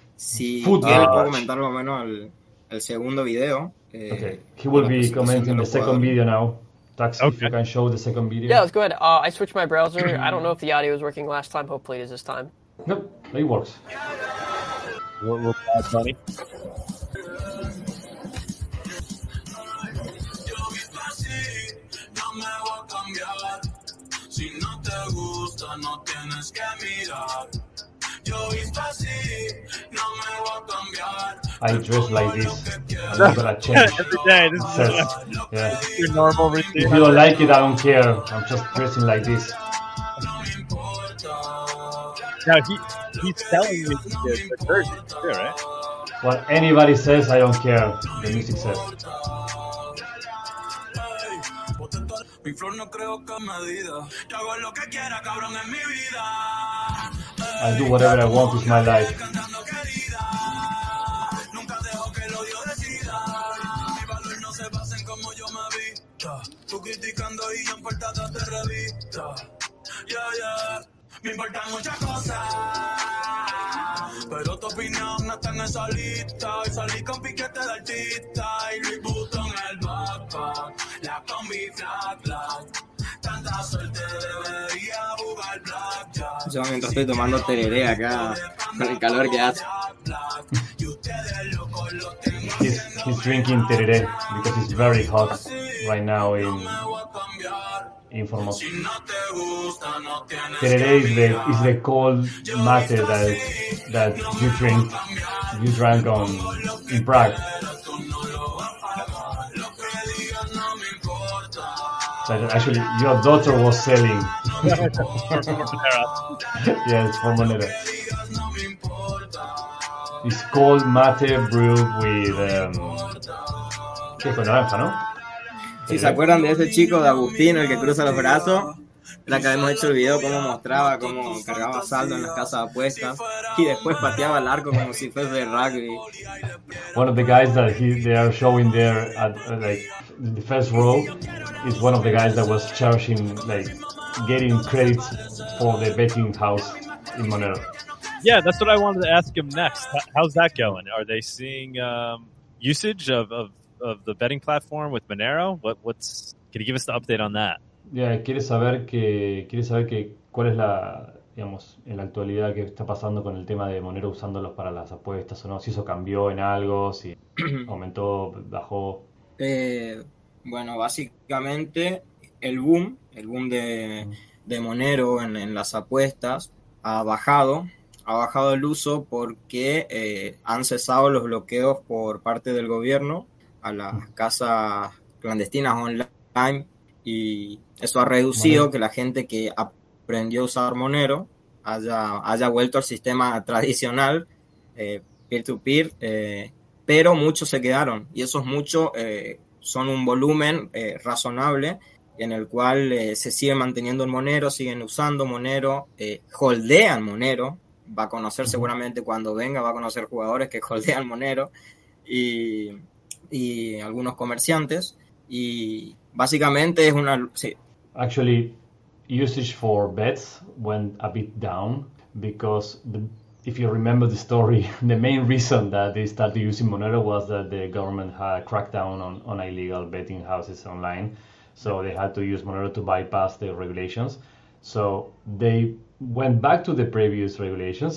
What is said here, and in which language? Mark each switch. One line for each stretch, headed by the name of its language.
Spanish: Si quiere, puedo comentar más o menos el segundo video.
English: Okay, he will be commenting the second video now. Tax, okay. If you can show the second video. Yeah, let's go ahead. I switched my browser. I don't know if the audio was working last time. Hopefully it is this time. Nope, it works. What's that, buddy?
Spanish: Si no te gusta, no tienes que mirar. Yo visto así, no me voy a cambiar.
English: I dress like this. I'm not gonna change. Every day, this is your normal routine. If you don't like it, I don't care. I'm just dressing like this. Now, he's telling me he's a virgin, right? What anybody says, I don't care. The music says.
Spanish: Mi flor no creo que medida. Yo hago lo que quiera, cabrón, en mi vida.
English: I do whatever I want with my life.
Spanish: Nunca dejo que el odio decida. Mi valor no se basa en como yo me vista. Tú criticando y en portadas de revista. Yeah, yeah. Me importan muchas cosas. Pero tu opinión no está en esa lista. Y salí con piquete de artista. Y reboot en el backpack. La combi flat. Tanta suerte debería jugar blackjack. Yo mientras estoy tomando tereré acá con el calor que hace. Y ustedes locos lo tengo.
English: He's drinking tereré because it's very hot right now in Formosa. Tereré is the cold mate that you drank in Prague. But actually, your daughter was selling. Yeah, it's from Monero. It's called mate brew with
Spanish: con naranja, ¿no? Si se acuerdan de ese chico de Agustín, el que cruza los brazos, la que habíamos hecho el video, cómo mostraba, cómo cargaba saldo en las casas de apuestas y después pateaba el arco como si fuese de rugby.
English: One of the guys that they are showing there at like the first row is one of the guys that was charging, like getting credits for the betting house in Monero. Yeah, that's what I wanted to ask him next. How's that going? Are they seeing usage of the betting platform with Monero? What's can you give us the update on that?
Spanish: Yeah, quiere saber que ¿Cuál es en la actualidad, qué está pasando con el tema de Monero usándolos para las apuestas o no? ¿Si eso cambió en algo? ¿Si aumentó? ¿Bajó? Bueno, básicamente el boom de Monero en las apuestas ha bajado el uso porque han cesado los bloqueos por parte del gobierno a las casas clandestinas online, y eso ha reducido que la gente que aprendió a usar Monero haya vuelto al sistema tradicional peer-to-peer, pero muchos se quedaron, y esos muchos son un volumen razonable en el cual se sigue manteniendo en Monero, siguen usando Monero, holdean Monero. Va a conocer seguramente cuando venga, va a conocer jugadores que holdean Monero y algunos comerciantes. Y básicamente es una... Sí.
English: Actually, usage for bets went a bit down because, if you remember the story, the main reason that they started using Monero was that the government had a crackdown on illegal betting houses online. So they had to use Monero to bypass the regulations. So they went back to the previous regulation.